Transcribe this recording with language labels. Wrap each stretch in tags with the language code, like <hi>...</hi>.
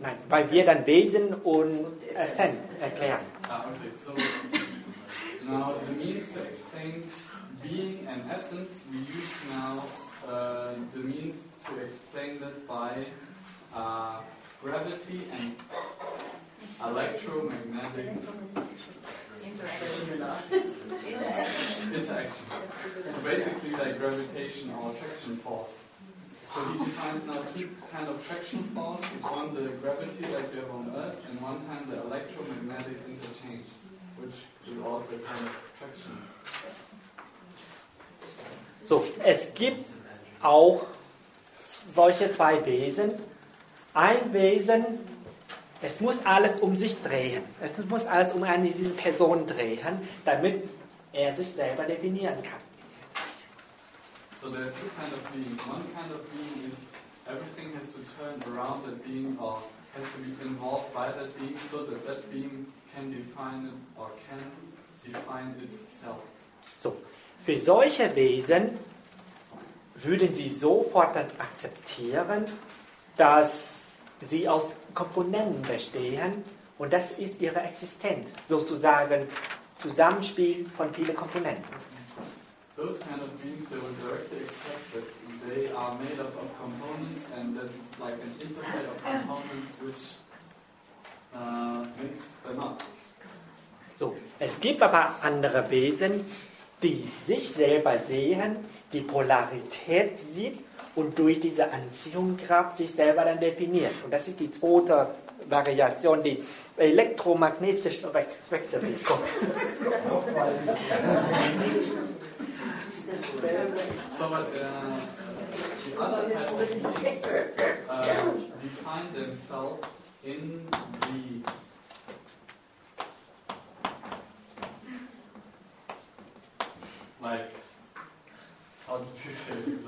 <de>Nein, weil wir dann Wesen und Essenz erklären.</de> <en>Okay, so. Now the means to explain being and essence, we use now the means to explain that by gravity and electromagnetic interaction. So basically like gravitation or attraction force. So he defines now two kind of traction forces, one the gravity like we have on Earth, and one time the electromagnetic interchange, which is also kind of traction.</en> <de>So, es gibt auch solche zwei Wesen. Ein Wesen, es muss alles um sich drehen. Es muss alles um eine Person drehen, damit er sich selber definieren kann.</de> <en>So there is two kind of being. One kind of being is everything has to turn around that being or has to be involved by that being, so that that being can define it or can define itself.</en> <de>So, für solche Wesen würden sie sofort dann akzeptieren, dass sie aus Komponenten bestehen und das ist ihre Existenz, sozusagen Zusammenspiel von vielen Komponenten.</de> <en>Those kind of beings, they would directly accept that they are made up of components and that it's like an interplay of components which makes them up.</en> <de>So, es gibt aber andere Wesen, die sich selber sehen, die Polarität sieht und durch diese Anziehungskraft sich selber dann definiert. Und das ist die zweite Variation, die elektromagnetische Wechselwirkung.</de> <en>So, but the other type of beings define themselves in the like, how did you say it?</en>